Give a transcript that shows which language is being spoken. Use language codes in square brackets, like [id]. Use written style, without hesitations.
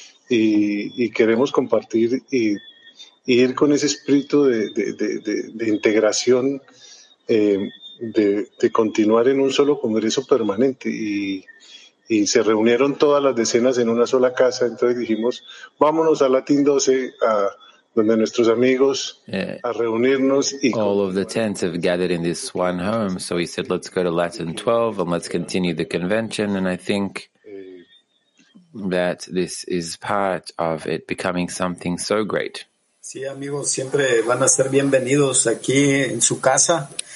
[es] Y queremos compartir y ir con ese espíritu de integración, de continuar en un solo congreso permanente. Y se reunieron todas las decenas en una sola casa. Entonces dijimos, vámonos a Latin 12, a donde nuestros amigos, a reunirnos. Y [en] all of the tents have gathered in this one home. So he said, let's go to Latin 12 and let's continue the convention. And I think that this is part of it becoming something so great. [es] Sí, amigos, siempre van a ser bienvenidos aquí en su casa